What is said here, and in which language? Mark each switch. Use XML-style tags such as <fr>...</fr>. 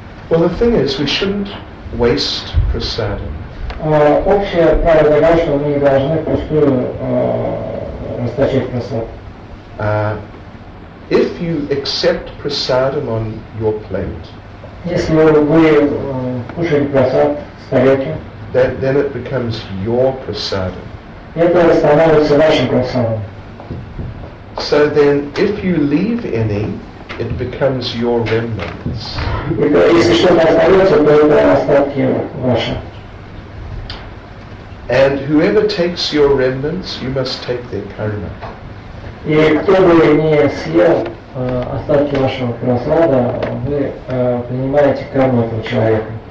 <en>Well, the thing is, we shouldn't waste prasadam.</en> <ru>Общее правило того, что мы не должны пустую расточать просад.</ru> <en>If you accept prasadam on your plate,</en> <ru>если вы кушаете просад с тарелки,</ru> <en>then it becomes your prasadam.</en> <ru>Это становится вашим просадом.</ru> <en>So then, if you leave any, it becomes your remnants.</en> <ru>Если что-то остается, то это остатки ваши.</ru> <en>And whoever takes your remnants, you must take their karma.</en> <ru>И кто бы не съел остатки вашего просада, вы принимаете карму этого человека.</ru>